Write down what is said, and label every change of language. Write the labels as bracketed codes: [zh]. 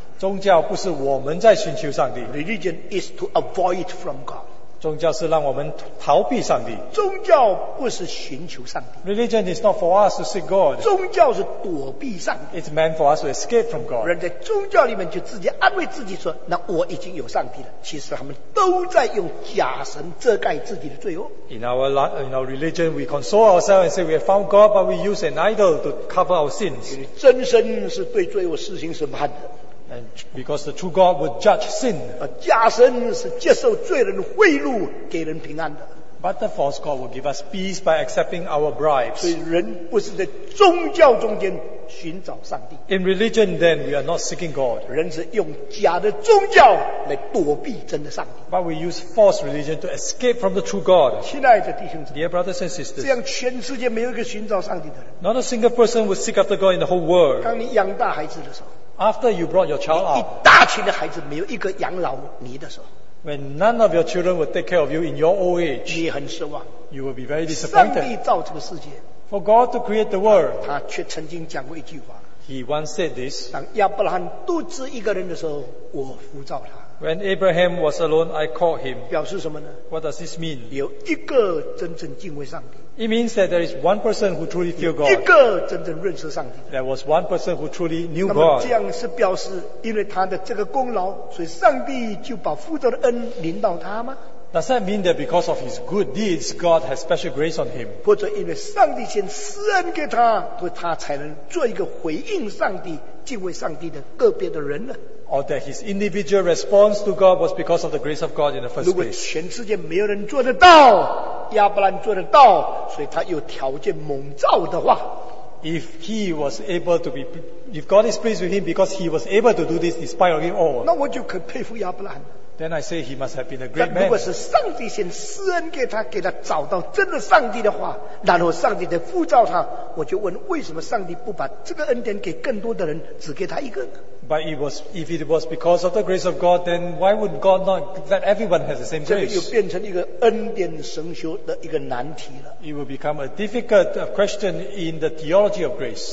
[zh] 宗教不是我们在寻求上帝。 [en] Religion is to avoid from God. [zh] 宗教是让我们逃避上帝。宗教不是寻求上帝。 [en] Religion is not for us to seek God. [zh] 宗教是躲避上帝。 [en] It's meant for us to escape from God. [zh] 人在宗教里面就自己安慰自己说，那我已经有上帝了。其实他们都在用假神遮盖自己的罪恶。 [en] In our religion, we console ourselves and say we have found God, but we use an idol to cover our sins. [zh] 因为真神是对罪恶施行审判的。 [en] And because the true God would judge sin. [zh] 假神是接受罪人贿赂给人平安的。 [en] But the false God will give us peace by accepting our bribes. [zh] 所以人不是在宗教中间寻找上帝。 [en] In religion then we are not seeking God. [zh] 人是用假的宗教来躲避真的上帝。 [en] But we use false religion to escape from the true God. [zh] 亲爱的弟兄姊妹。 [en] Dear brothers and sisters. [zh] 这样全世界没有一个寻找上帝的人。 [en] Not a single person would seek after God in the whole world. [zh] 当你养大孩子的时候。 [en] After you brought your child up, [zh] 一大群的孩子没有一个养老你的时候 [en] when none of your children will take care of you in your old age, [zh] 你很失望 [en] you will be very disappointed. [zh] 上帝造这个世界 [en] for God to create the world, [zh] 他却曾经讲过一句话 [en] he once said this, [zh] 当亚伯拉罕独自一个人的时候我呼召他 [en] when Abraham was alone, I called him. [zh] 表示什么呢 [en] what does this mean? [zh] 有一个真正敬畏上帝 [en] It means that there is one person who truly feared God. [zh] 一个真正认识上帝。 [en] There was one person who truly knew God. [zh] 这样是表示因为他的这个功劳，所以上帝就把福德的恩临到他吗？ [en] Does that mean that because of his good deeds, God has special grace on him? [zh] 或者因为上帝先施恩给他，所以他才能做一个回应上帝、敬畏上帝的个别的人呢？ [en] Or that his individual response to God was because of the grace of God in the first place? [zh] 如果全世界没有人做得到。亚伯兰做得到，所以他有条件蒙召的话。 [en] If he was able to be, if God is pleased with him because he was able to do this despite of him all, [zh] 那我就可佩服亚伯兰。 [en] Then I say he must have been a great man. [zh] 如果是上帝先施恩给他，给他找到真的上帝的话， 然后上帝再呼召他， 我就问为什么上帝不把这个恩典给更多的人， 只给他一个呢？ [en] But if it was because of the grace of God, then why would God not let everyone have the same grace? [zh] 这就变成一个恩典神学的一个难题了。 [en] It will become a difficult question in the theology of grace.